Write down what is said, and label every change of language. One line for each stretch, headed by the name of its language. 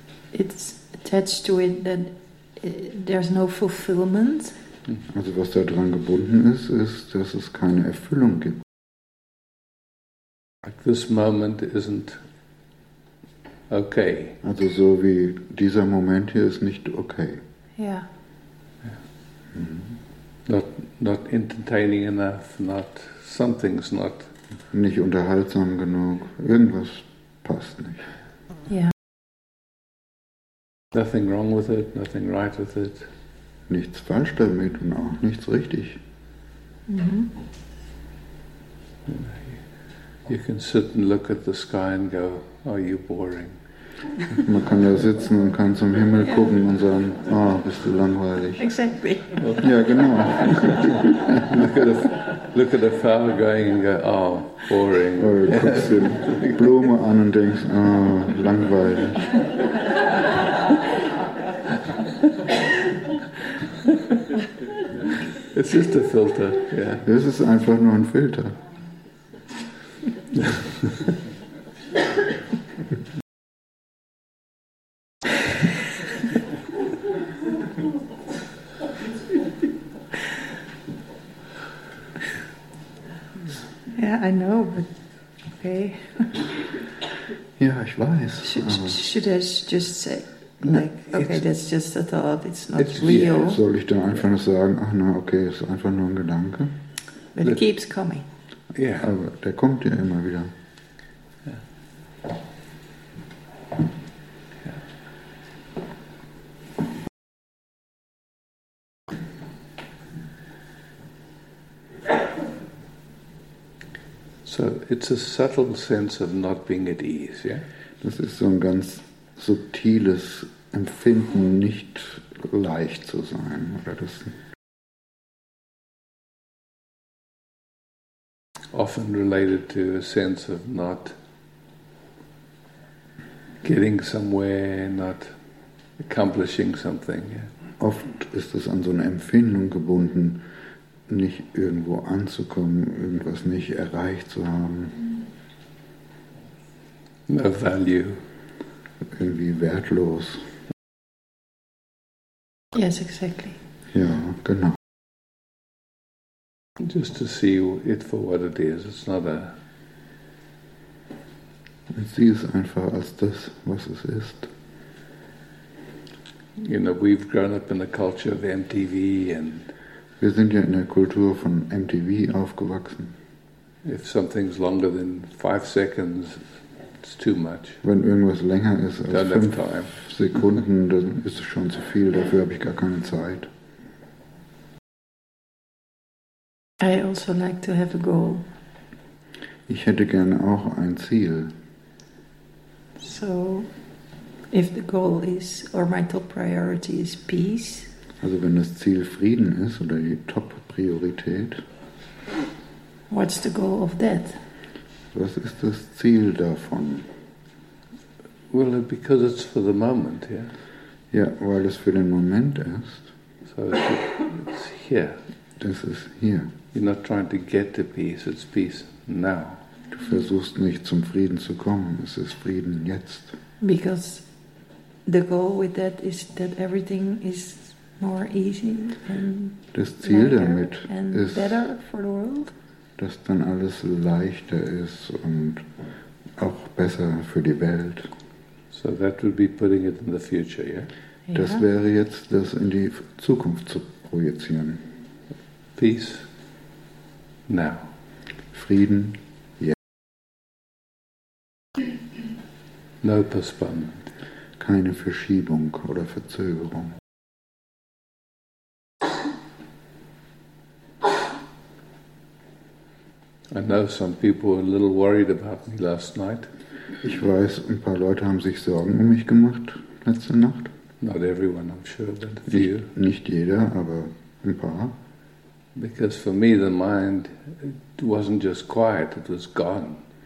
English: It's attached to it that there's no fulfillment.
German: Also was da dran gebunden ist, ist, dass es keine Erfüllung gibt.
English: Like this moment isn't okay.
German: Also so wie dieser Moment hier ist nicht okay.
English: Yeah. Not entertaining enough, not something's not.
German: Nicht unterhaltsam genug, irgendwas passt nicht.
English: Yeah. Nothing wrong with it, nothing right with it.
German: Nichts falsch damit und auch nichts richtig. Mm-hmm.
English: You can sit and look at the sky and go, are you boring?
German: Man kann ja sitzen und kann zum Himmel gucken und sagen, oh, bist du langweilig.
English: Exactly.
German: Ja, genau.
English: look at a flower going and go, oh, boring.
German: Oder du guckst die Blume an und denkst, oh, langweilig.
English: It's just a filter, yeah.
German: Es ist einfach nur ein Filter.
English: Yeah, I know, but okay.
German: Ja, ich weiß.
English: Should I just say? Like, okay, that's just a thought, it's not real. Yeah.
German: Soll ich dann einfach nur sagen, ach na, okay, ist einfach nur ein Gedanke?
English: But it keeps coming.
German: Ja, yeah. Aber der kommt ja immer wieder.
English: So, it's a subtle sense of not being at ease, yeah?
German: Das ist so ein ganz subtiles Empfinden, nicht leicht zu sein, oder das
English: often related to a sense of not getting somewhere, not accomplishing something. Yeah.
German: Oft ist es an so eine Empfindung gebunden, nicht irgendwo anzukommen, irgendwas nicht erreicht zu haben.
English: No value.
German: Irgendwie wertlos.
English: Yes, exactly.
German: Ja, genau.
English: Just to see it for what it is. It's not a...
German: Ich sehe es einfach als das, was es ist.
English: You know, we've grown up in a culture of MTV and...
German: Wir sind ja in der Kultur von MTV aufgewachsen.
English: If something's longer than 5 seconds, it's too much.
German: Wenn irgendwas länger ist als 5 Sekunden, dann ist es schon zu viel, dafür habe ich gar keine Zeit.
English: I also like to have a goal.
German: Ich hätte gerne auch ein Ziel.
English: So, if the goal is, or my top priority is peace.
German: Also wenn das Ziel Frieden ist, oder die Top-Priorität.
English: What's the goal of that?
German: Was ist das Ziel davon?
English: Well, because it's for the moment, yeah?
German: Ja, weil es für den Moment ist.
English: So it's here.
German: Das ist hier.
English: You're not trying to get to peace, it's peace now.
German: Du Du versuchst nicht zum Frieden zu kommen, es ist Frieden jetzt.
English: Because the goal with that is that everything is more easy and
German: das Ziel damit
English: and
German: ist,
English: better for the world.
German: Dass dann alles leichter ist und auch besser für die Welt.
English: So that would be putting it in the future, yeah?
German: Das wäre jetzt, das in die Zukunft zu projizieren.
English: Peace. Now.
German: Frieden. Yeah.
English: No postponement.
German: Keine Verschiebung oder Verzögerung.
English: I know some people were a little worried about me last night.
German: Ich weiß, ein paar Leute haben sich Sorgen um mich gemacht letzte Nacht.
English: Not everyone, I'm sure, but a few.
German: Nicht jeder, aber ein paar.
English: Because for me the mind it wasn't just quiet, it was gone.